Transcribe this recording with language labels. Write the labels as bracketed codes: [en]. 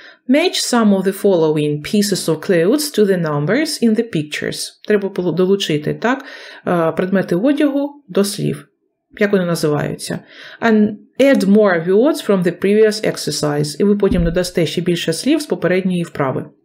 [en] Match some of the following pieces of clothes to the numbers in the pictures. [uk] Треба було долучити, так, предмети одягу до слів. Як вони називаються? [en] And add more words from the previous exercise. [uk] І ви потім додасте ще більше слів з попередньої вправи.